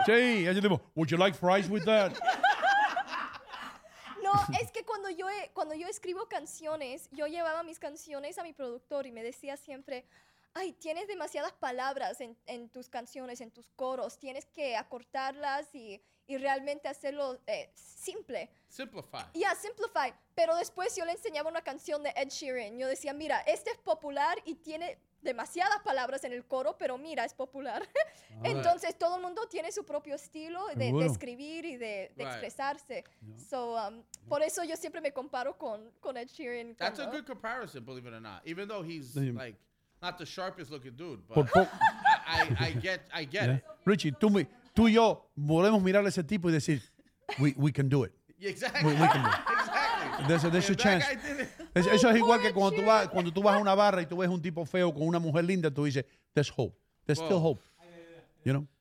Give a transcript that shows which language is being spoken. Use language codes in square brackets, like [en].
[es] Sí, ese tipo, [en] would you like fries with that? [es] No, es que cuando yo escribo canciones, yo llevaba mis canciones a mi productor y me decía siempre, ay, tienes demasiadas palabras en tus canciones, en tus coros, tienes que acortarlas y realmente hacerlo simple. [en] Simplify. Yeah, simplify. [es] Pero después yo le enseñaba una canción de Ed Sheeran. Yo decía, mira, este es popular y tiene demasiadas palabras en el coro, pero mira, es popular. Entonces, todo el mundo tiene su propio estilo de escribir y de [en] right. [es] expresarse. Yeah. So, por eso yo siempre me comparo con Ed Sheeran. [en] That's a good comparison, believe it or not. Even though he's, like, not the sharpest looking dude. But I get yeah. it. [es] Richie, tú y yo podemos mirar a ese tipo y decir, [en] we can do it. Exactly. We can do it. There's a chance. [es] Eso es igual que cuando tú vas a una barra y tú ves un tipo feo con una mujer linda, tú dices, [en] there's hope. There's still hope. You know?